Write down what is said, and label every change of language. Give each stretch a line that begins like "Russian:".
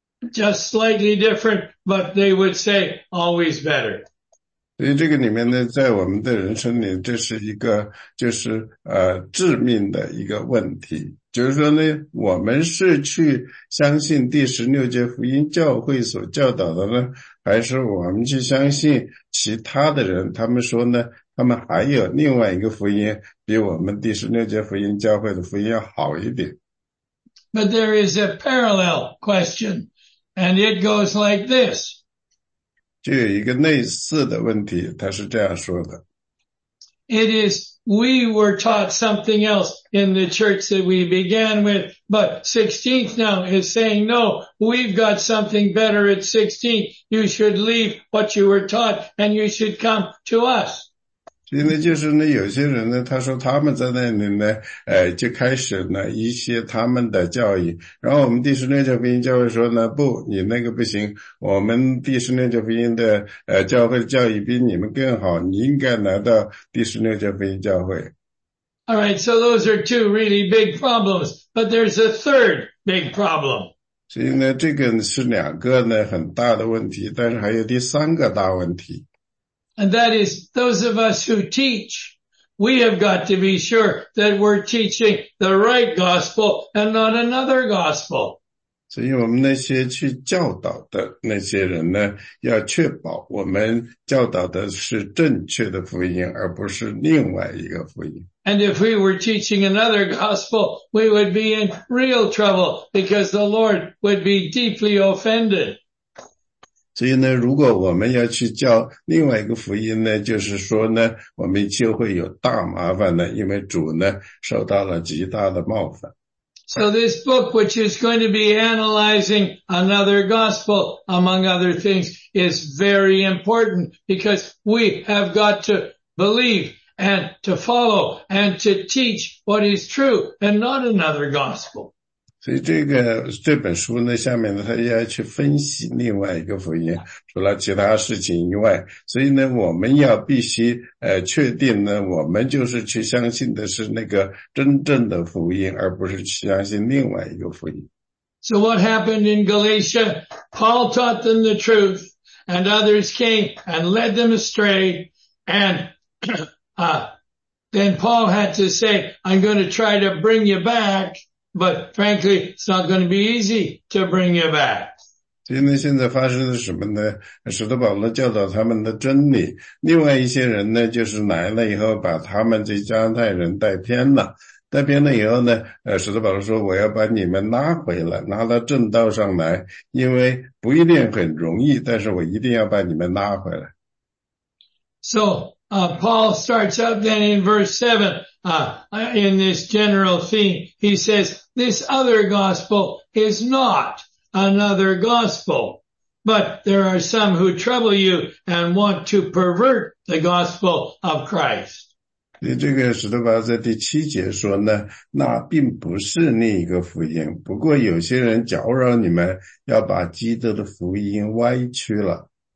English: Just slightly different, but they would say always better.
Chinese: 所以这个里面呢，在我们的人生里，这是一个就是致命的一个问题，就是说呢，我们是去相信第十六节福音教会所教导的呢，还是我们去相信其他的人，他们说呢，他们还有另外一个福音，比我们第十六节福音教会的福音要好一点。
English: But there is a parallel question, and it goes like this.
Chinese: 就有一个类似的问题，他是这样说的。
English: It is, we were taught something else in the church that we began with, but 16th now is saying, no, we've got something better at 16th. You should leave what you were taught and you should come to us.
Chinese: 现在就是呢，有些人呢，他说他们在那里呢，就开始呢一些他们的教义。然后我们第十六届福音教会说呢，不，你那个不行，我们第十六届福音的教会的教义比你们更好，你应该来到第十六届福音教会。
English: All right, so those are two really big problems, but there's a third big problem.
Chinese: 所以呢，这个是两个呢很大的问题，但是还有第三个大问题。
English: And that is, those of us who teach, we have got to be sure that we're teaching the right gospel and not another gospel.
Chinese: 所以我们那些去教导的那些人呢，要确保我们教导的是正确的福音，而不是另外一个福音。
English: And if we were teaching another gospel, we would be in real trouble because the Lord would be deeply offended.
Chinese: 所以呢，如果我们要去教另外一个福音呢，就是说呢，我们就会有大麻烦呢，因为主呢受到了极大的冒犯。
English: So this book, which is going to be analyzing another gospel, among other things, is very important because we have got to believe and to follow and to teach what is true and not another gospel.
Chinese: 所以这本书呢，下面呢，他要去分析另外一个福音，除了其他事情以外，所以呢，我们要必须确定呢，我们就是去相信的是那个真正的福音，而不是去相信另外一个福音。
English: So what happened in Galatia? Paul taught them the truth, and others came and led them astray, and then Paul had to say, "I'm going to try to bring you back." But frankly, it's not going to be easy to bring you back.
Chinese: 现在发生的什么呢？使徒保罗教导他们的真理。另外一些人呢，就是来了以后把他们这加拉太人带偏了。带偏了以后呢，使徒保罗说，我要把你们拉回来，拉到正道上来，因为不一定很容易，但是我一定要把你们拉回来。
English: So, Paul starts up then in verse 7. In this general theme, he says, this other gospel is not another gospel, but there are some who trouble you and want to pervert the gospel of Christ.
Chinese: 这个使徒保罗在第七节说呢，那并不是另一个福音，不过有些人搅扰你们，要把基督的福音歪曲了。